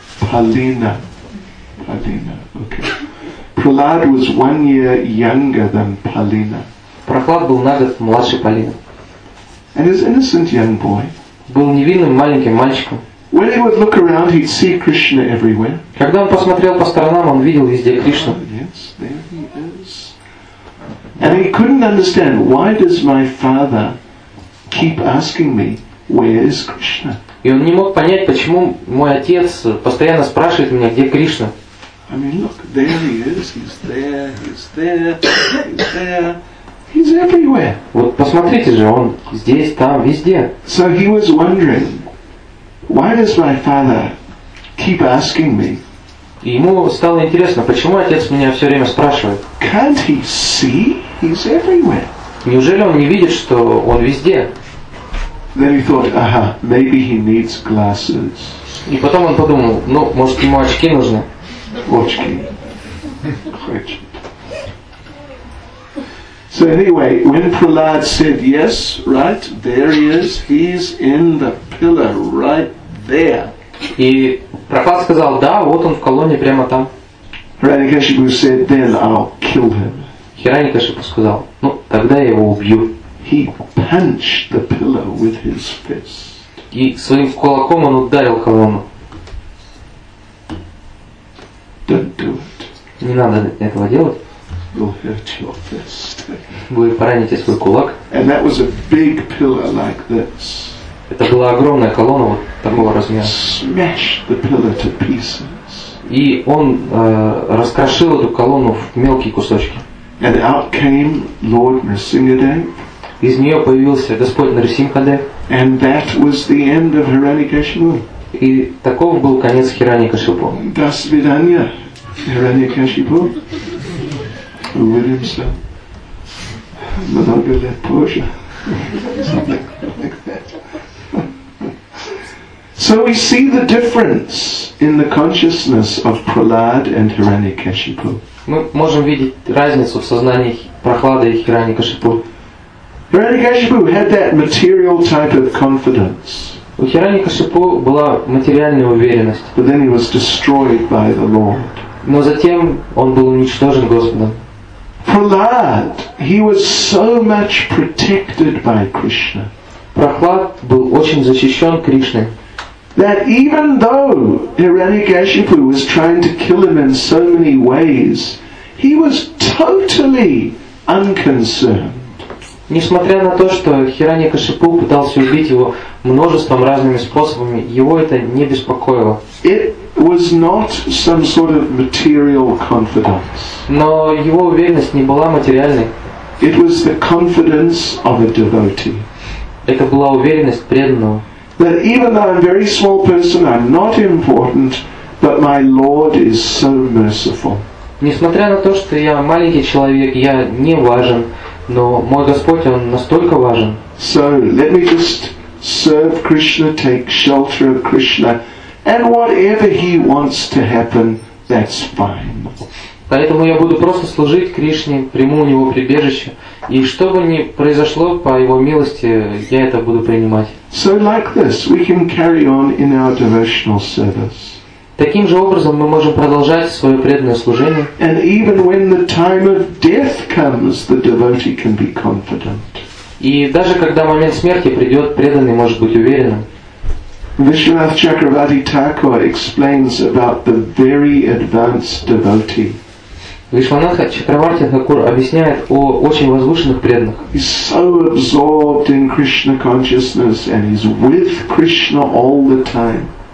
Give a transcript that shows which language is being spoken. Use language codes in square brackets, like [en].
[ru] Полина. [en] Полина. Okay. Prahlad was 1 year younger than Полина. [ru] Прохлад был на год младше Полины. [en] And his innocent young boy. [ru] Был невинным маленьким мальчиком. [en] When he would look around, he'd see Krishna everywhere. [ru] Когда он посмотрел по сторонам, он видел везде Кришну. [en] Yes, there he is. And he couldn't understand, why does my father keep asking me, where is Krishna? [ru] И он не мог понять, почему мой отец постоянно спрашивает меня, где Кришна. [en] I mean, look, there he is, he's there, he's there, he's there, he's everywhere. [ru] Вот посмотрите же, он здесь, там, везде. [en] So he was wondering, why does my father keep asking me? [ru] И ему стало интересно, почему отец меня все время спрашивает. [en] Can't he see? He's everywhere. [ru] Неужели он не видит, что он везде? [en] Then he thought, aha, maybe he needs glasses. [ru] И потом он подумал, ну, может ему очки нужны? Очки. [en] So anyway, when Prahlad said yes, right, there he is, he's in the pillar, right there. [ru] И Прохлад сказал, да, вот он в колонне прямо там. [en] Hiranyakashipu said, then I'll kill him. [ru] Hiranyakashipu сказал, ну, тогда я его убью. [en] He punched the pillar with his fist. [ru] И своим кулаком он ударил колонну. [en] Don't do it. [ru] Не надо этого делать. [en] You'll hurt your fist. [ru] Вы пораните свой кулак. [en] And that was a big pillar like this. [ru] Это была огромная колонна вот такого размера. [en] Smashed the pillar to pieces. [ru] И он раскрошил эту колонну в мелкие кусочки. [en] And out came Lord Nrsimhadev. [ru] Из нее появился Господь Нарсимхадев. [en] And that was the end of Hiranyakashipu. [ru] И таков был конец Hiranyakashipu. До свидания, Hiranyakashipu. Увидимся. Много лет позже. [en] So we see the difference in the consciousness of Prahlad and Hiranyakashipu. [ru] Мы можем видеть разницу в сознании Прохлада и Hiranyakashipu. [en] Hiranyakashipu had that material type of confidence. [ru] У Hiranyakashipu была материальная уверенность. [en] But then he was destroyed by the Lord. [ru] Но затем он был уничтожен Господом. [en] Prahlad, he was so much protected by Krishna. [ru] Прохлад был очень защищен Кришной. [en] That even though Hiranyakashipu was trying to kill him in so many ways, he was totally unconcerned. [ru] Несмотря на то, что Hiranyakashipu пытался убить его множеством разными способами, его это не беспокоило. [en] It was not some sort of material confidence. [ru] Но его уверенность не была материальной. [en] It was the confidence of a devotee. [ru] Это была уверенность преданного. [en] That even though I'm a very small person, I'm not important, but my Lord is so merciful. [ru] Несмотря на то, что я маленький человек, я не важен, но мой Господь, Он настолько важен. [en] So let me just serve Krishna, take shelter of Krishna, and whatever He wants to happen, that's fine. [ru] Поэтому я буду просто служить Кришне, приму у Него прибежище, и что бы ни произошло по Его милости, я это буду принимать. [en] So like this, we can carry on in our devotional service. [ru] Таким же образом мы можем продолжать свое преданное служение. [en] And even when the time of death comes, the devotee can be confident. [ru] И даже когда момент смерти придет, преданный может быть уверенным. [en] Vishwanath Chakravarti Thakur explains about the very advanced devotee. [ru] Вишванатха Чакраварти Такур объясняет о очень возвышенных преданных. [en] He's so absorbed in Krishna consciousness and he's with Krishna all the time.